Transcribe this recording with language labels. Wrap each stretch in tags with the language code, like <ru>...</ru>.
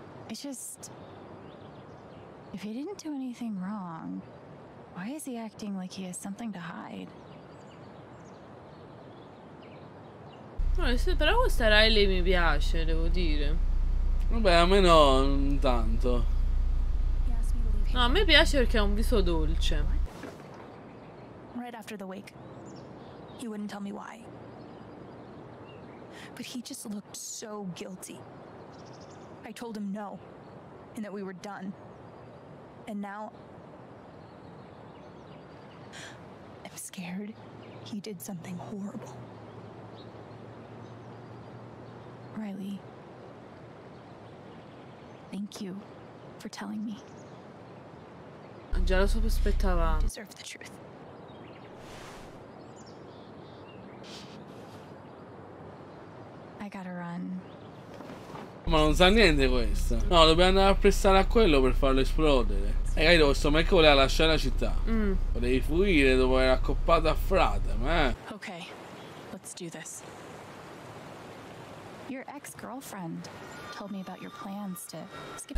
<en>It's just, if he didn't do anything wrong, why is he acting like he has something to hide?</en> <it>Però questa Riley mi piace, devo dire. Vabbè, a me no, non tanto. No, a me piace perché ha un viso dolce.</it> <en>Right after the wake, he wouldn't tell me why. But he just looked so guilty. I told him no, and that we were done. And now I'm scared he did something horrible. Riley, thank you for telling me.</en> <it>Già lo so che aspettava.</it> <en>Deserve the truth. I gotta run.</en> <it>Ma non sa niente questa. No, dobbiamo andare a prestare a quello per farlo esplodere. E capito, questo Mac voleva lasciare la città. Volevi fuggire dopo aver accoppato a Fratem, eh.</it> <en>Ok, let's do this. Your ex-girlfriend told me about your plans to skip.</en>